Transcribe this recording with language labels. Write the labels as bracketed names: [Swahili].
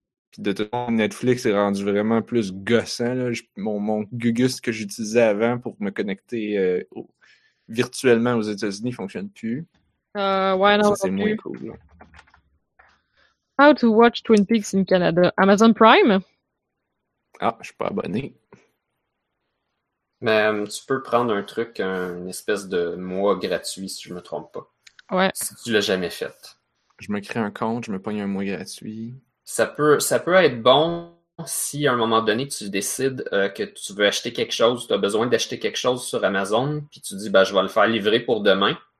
[French] Puis de toute façon, Netflix est rendu vraiment plus gossant, là. Mon Gugus que j'utilisais avant pour me connecter virtuellement aux États-Unis fonctionne plus. Ouais, non, ça, c'est moins cool, là. [English] How to watch Twin Peaks in Canada. [French] Amazon Prime? Ah, je suis pas abonné. Mais tu peux prendre un truc, une espèce de mois gratuit, si je me trompe pas. Ouais. Si tu l'as jamais fait. Je me crée un compte, je me pogne un mois gratuit. Ça peut être bon si, à un moment donné, tu décides que tu veux acheter quelque chose, tu as besoin d'acheter quelque chose sur Amazon, puis tu dis, ben, je vais le faire livrer pour demain.